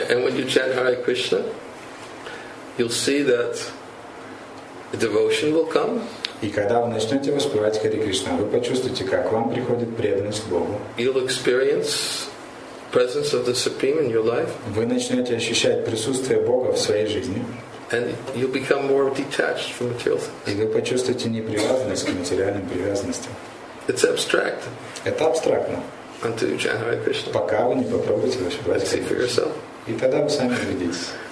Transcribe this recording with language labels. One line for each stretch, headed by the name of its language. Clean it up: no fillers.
English: And when you chant Hare Krishna, you'll see that devotion will come.
Russian: И когда вы начнете воспевать Хари Кришна, вы почувствуете, как к вам приходит преданность к Богу.
English: You'll experience presence of the Supreme in your life.
Russian: Вы начнете ощущать присутствие Бога в своей жизни.
English: And you'll become more detached from material things.
Russian: И вы почувствуете непривязанность к материальным привязанностям.
English: It's abstract.
Russian: Это абстрактно.
English: Until you chant Hare Krishna.
Russian: Пока вы не попробуете воспевать Хари Кришна.
English: For yourself.
Russian: И тогда вы сами убедитесь.